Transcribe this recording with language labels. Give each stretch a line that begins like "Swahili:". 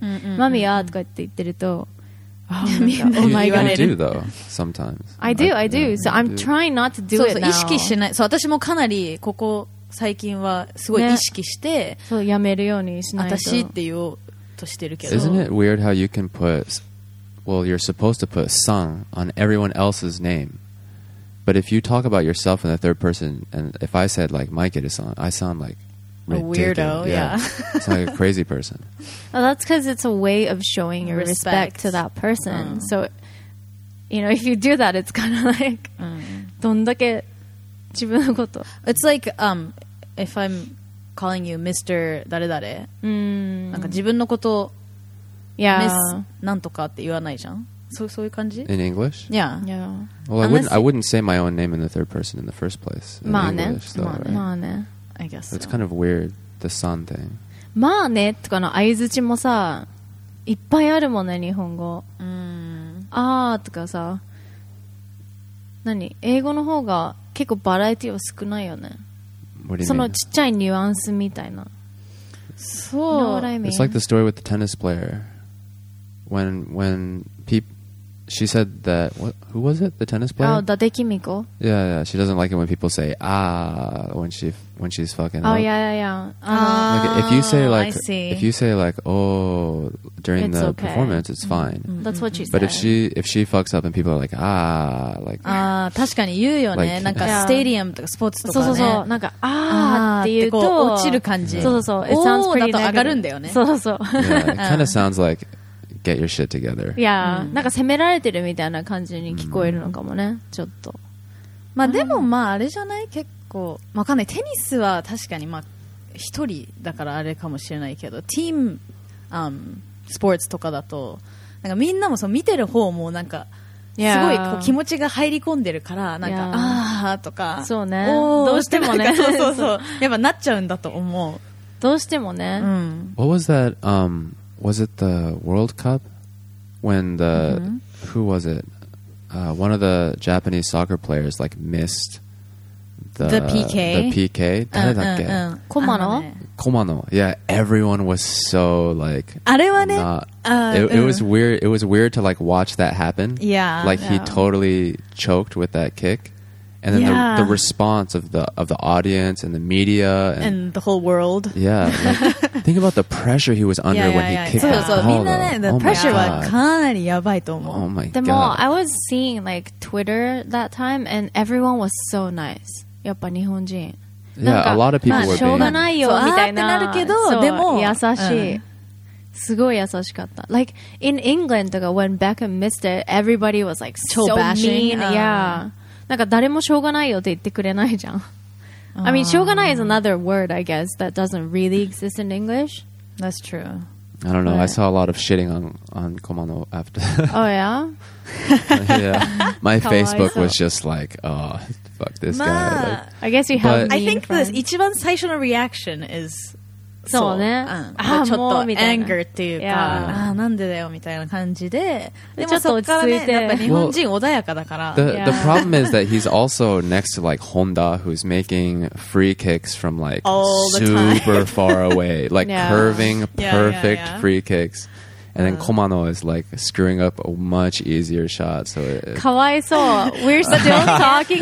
Japanese: うんうんうん、マミやとか言って言ってると
English: Oh my god. You do though, sometimes. I do. Yeah, so I'm trying not to do
Japanese: そうそう
English: it now.
Japanese: 意識しない。そう、私もかなりここ最近はすごい意識して、ね、そうやめるようにしないと私って言おうとしてるけど
English: Isn't it weird how you can put Well, you're supposed to put son on everyone else's name But if you talk about yourself in the third person And if I said like Mike Edison I sound like ridiculous. A weirdo, yeah It's like a crazy person well, That's because it's a way of showing your respect to that person、mm. So, you know, if you do that It's kind of like、mm.
Japanese: どんだけ自分のこと。
English: It's like, if I'm calling you Mr.
Japanese: 誰誰、なんか自分のこと、
English: yeah.
Japanese: Miss なんとかって言わないじゃん。そういう感じ
English: ？In English? Yeah. Yeah. Well, I wouldn't say my own name in the third person in the first place. In
Japanese: まあ
English: ね。English, though,
Japanese: まあね。
English: Right?
Japanese: まあね。
English: I guess. So. It's kind of weird the son thing.
Japanese: まあねとかの相槌もさ、いっぱいあるもんね日本語。あーとかさ、何？英語の方が結構バラエティは少ないよね。そのちっちゃいニュアンスみたいな。そう。
English: It's like the story with the tennis player. When people, she said that what, who was it? The tennis player?
Japanese: Oh, 伊達公子。
English: Yeah, yeah. She doesn't like it when people say ah when she's fucking. Oh、 up. yeah, yeah, yeah. Like, if you say like oh during the、 okay. performance, it's fine.、 Mm-hmm. That's what she said. But if she fucks up and people are like ah like
Japanese: ah 確かに言うよね。なんかスタジアムとかスポーツとかね。そうそうそう。なんかああって言うと落ちる感じ。
English: そうそうそう。It sounds pretty
Japanese: だと上がるんだよね。そうそうそう。
English: It kind of sounds like get your shit together. Yeah.
Japanese: なんか責められてるみたいな感じに聞こえるのかもね。ちょっと。まあでもまああれじゃない結構。こうわかんないテニスは確かにまあ一人だからあれかもしれないけどチーム、スポーツとかだとなんかみんなもそう見てる方もなんかすごいこう気持ちが入り込んでるからなんか、yeah. ああとかそうねどうしてもねそうやっぱなっちゃうんだと思うどうしてもね、うん、
English: What was that was it the World Cup when the、mm-hmm. who was it one of the Japanese soccer players like missed The PK? Who was that? Komano? Komano. Yeah, everyone was so like... It was weird to like watch that happen. Yeah. Like yeah. he totally choked with that kick. And then the response of the audience and the media. And the whole world. Yeah. Like, think about the pressure he was under when he kicked that ball. So, the pressure was kind of bad. Oh my god. But I was seeing like Twitter that time and everyone was so nice.
Japanese: やっぱ日本人。
English: Yeah, a lot of people were
Japanese: being... しょうがないよみたいな。そうってなるけど、でも優しい、うん。すごい優しかった。
English: Like in England とか when Beckham missed it, everybody was like so mean. Yeah.
Japanese: なんか誰もしょうがないよって言ってくれないじゃん。
English: I mean, しょうがない is another word, I guess, that doesn't really exist in English. That's true. I don't know. But... I saw a lot of shitting on Komano after. Oh, yeah? yeah. My Facebook was just like, oh, fuck this guy. Like, I guess you have I think the
Japanese: 一番最初の
English: reaction is...
Japanese: そうね。ちょっと anger っていうか、yeah. ああ、なんでだよみたいな感じで。でもちょっと落ち着いて。やっぱ日本人穏やかだから。
English: Well, the problem is that he's also next to like Honda, who's making free kicks from like super far away. Like yeah. curving perfect yeah, yeah, yeah. free kicks. And then Komano is like screwing up a much easier shot. So かわいそう。We're still talking